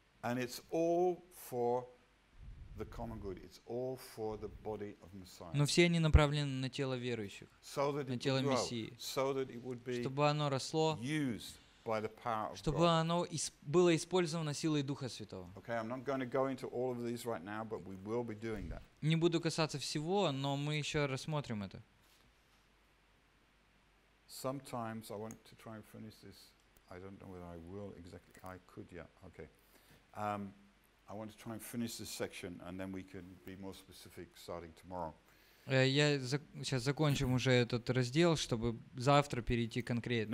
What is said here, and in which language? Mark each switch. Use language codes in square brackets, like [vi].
[en] And it's all for the common good. It's all for the body of Messiah. [ru] Но все они направлены на тело верующих, [en] so that [ru] на тело Мессии, [en] so that it would be, [ru] чтобы оно росло, [en] used by the power of [ru] чтобы [en] God. [ru] Оно было использовано силой Духа Святого. [en] Okay, I'm not going to go into all of these right now, but we will be doing that. [ru] Не буду касаться всего, но мы еще рассмотрим это. [en] Sometimes I want to try and finish this. I don't know whether I will exactly. I could, yeah. Okay. I want to try and finish this section, and then we can be more specific starting tomorrow. [ru] Я сейчас закончим уже этот раздел, чтобы завтра перейти конкретно.